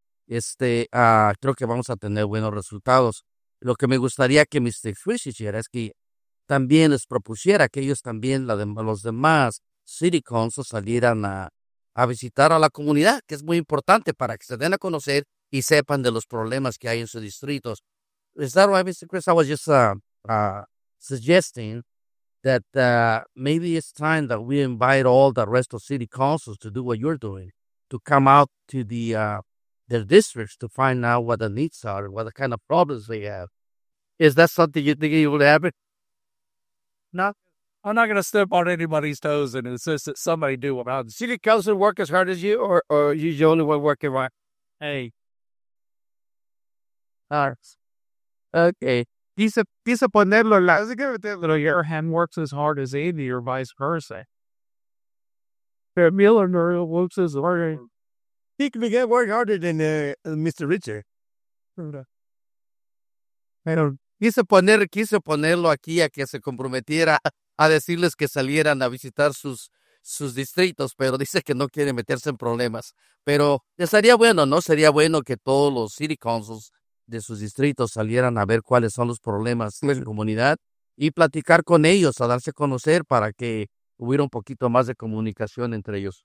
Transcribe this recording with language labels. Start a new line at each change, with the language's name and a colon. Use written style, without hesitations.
Spanish: Creo que vamos a tener buenos resultados. Lo que me gustaría que Mr. Chris hiciera es que también les propusiera que ellos también, los demás City Council, salieran a visitar a la comunidad, que es muy importante para que se den a conocer y sepan de los problemas que hay en sus distritos.
English: Is that why, Mr. Chris? I was just suggesting that maybe it's time that we invite all the rest of City Councils to do what you're doing, to come out to their districts to find out what the needs are, what the kind of problems they have. Is that something you think you would have? No, I'm not going to step on anybody's toes and insist that somebody do what I'm doing. City Council work as hard as you, or are you the only one working right? Hey. All right. Okay.
Spanish: Dice ponerlo en la... Es que ponerlo en la...
English: Your hand works as hard as Andy or vice versa.
Spanish: Pero
English: Miller no works as hard as... He can get work harder than Mr. Richard.
Spanish: Quise ponerlo aquí a que se comprometiera a decirles que salieran a visitar sus distritos, pero dice que no quiere meterse en problemas. Pero estaría bueno, ¿no? Sería bueno que todos los city councils de sus distritos salieran a ver cuáles son los problemas de su comunidad y platicar con ellos, a darse a conocer para que hubiera un poquito más de comunicación entre ellos.